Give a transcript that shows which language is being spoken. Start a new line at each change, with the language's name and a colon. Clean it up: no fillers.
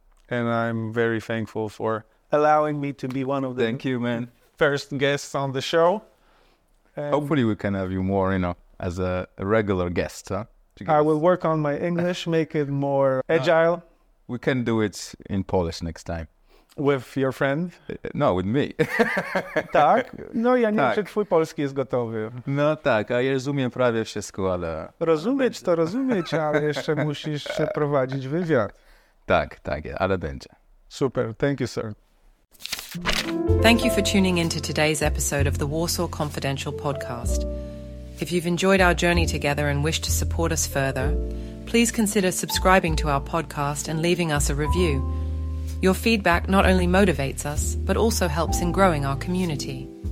English: And I'm very thankful for allowing me to be one of the first guests on the show. And hopefully we can have you more, you know, as a regular guest. Huh? I will work on my English, make it more agile. We can do it in Polish next time. With your friend? No, with me.
Polish: Tak? No, ja nie wiem, czy twój polski jest gotowy. No tak, a ja rozumiem prawie wszystko, ale... Rozumieć to rozumieć, ale jeszcze musisz przeprowadzić wywiad. Tak, tak, ale będzie.
English: Super, thank you, sir. Thank you for tuning in to today's episode of the Warsaw Confidential podcast. If you've enjoyed our journey together and wish to support us further, please consider subscribing to our podcast and leaving us a review. Your feedback not only motivates us, but also helps in growing our community.